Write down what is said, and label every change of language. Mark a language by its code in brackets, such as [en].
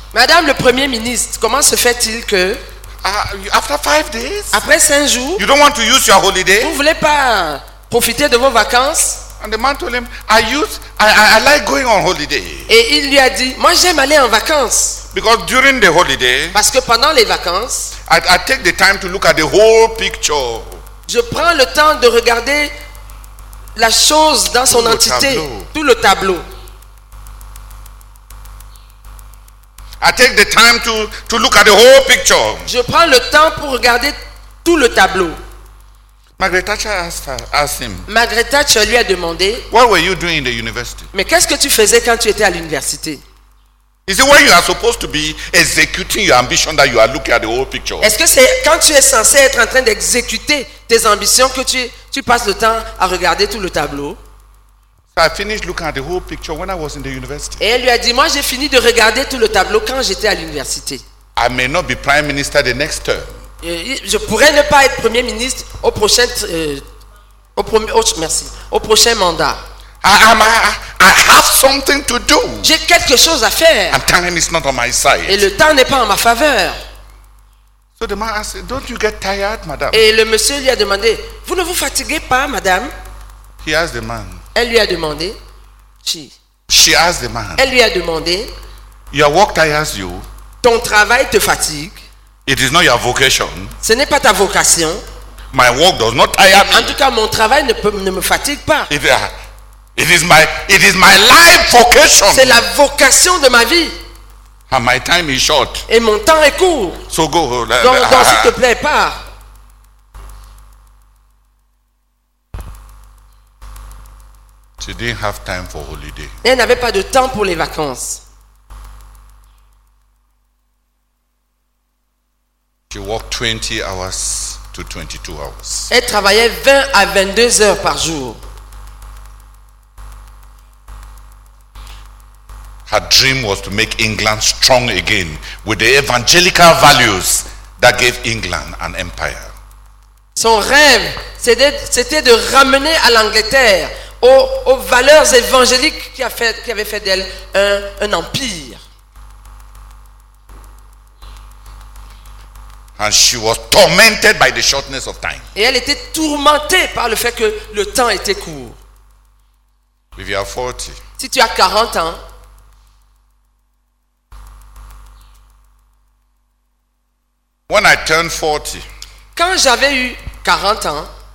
[fr] Madame le Premier ministre, comment se fait-il que [en] after 5 days, [fr] après 5 jours, [en] you don't want to use your holiday? [fr] Vous ne voulez pas profiter de vos vacances? [en] And the man told him, I like going on holiday. [fr] Et il lui a dit, moi j'aime aller en vacances. [en] Because during the holiday, [fr] parce que pendant les vacances, [en] I take the time to look at the whole picture. [fr] Je prends le temps de regarder la chose dans son entité, tout le tableau. [en] I take the time to look at the whole picture. [fr] Je prends le temps pour regarder tout le tableau. [en] Margaret Thatcher asked him. [fr] Margaret Thatcher lui a demandé. [en] What were you doing in the university? [fr] Mais qu'est-ce que tu faisais quand tu étais à l'université? [en] Is it when you are supposed to be executing your ambition that you are looking at the whole picture? [fr] Est-ce que c'est quand tu es censé être en train d'exécuter tes ambitions que tu passes le temps à regarder tout le tableau? [en] I finished looking at the whole picture when I was in the university. [fr] Et elle lui a dit, moi j'ai fini de regarder tout le tableau quand j'étais à l'université. [en] I may not be prime minister the next term. [fr] Je pourrais ne pas être premier ministre au prochain au prochain mandat. [en] I have something to do. [fr] J'ai quelque chose à faire. [en] And time is not on my side. [fr] Et le temps n'est pas en ma faveur. [en] So the man asked, "Don't you get tired, madame?" [fr] Et le monsieur lui a demandé, "Vous ne vous fatiguez pas, madame?" [en] He asked the man. [fr] Elle lui a demandé. [en] She asked the man. [fr] Elle lui a demandé. [en] Your work tires you. [fr] Ton travail te fatigue. [en] It is not your vocation. [fr] Ce n'est pas ta vocation. [en] My work does not tire me. [fr] En tout cas, mon travail ne me fatigue pas. [en] It is my life vocation. [fr] C'est la vocation de ma vie. [en] And my time is short. [fr] Et mon temps est court. [en] So go. [fr] Donc, s'il te plaît, pars. [en] She didn't have time for holiday. [fr] Elle n'avait pas de temps pour les vacances. [en] She worked 20 hours to 22 hours. [fr] Elle travaillait 20 à 22 heures par jour. [en] Her dream was to make England strong again with the evangelical values that gave England an empire. [fr] Son rêve, c'était de ramener à l'Angleterre aux valeurs évangéliques qui avaient fait d'elle un empire. [en] And she was tormented by the shortness of time. [fr] Et elle était tourmentée par le fait que le temps était court. [en] If you are 40, [fr] si tu as 40 ans, [en] when I turned 40, [fr] quand j'avais eu 40 ans,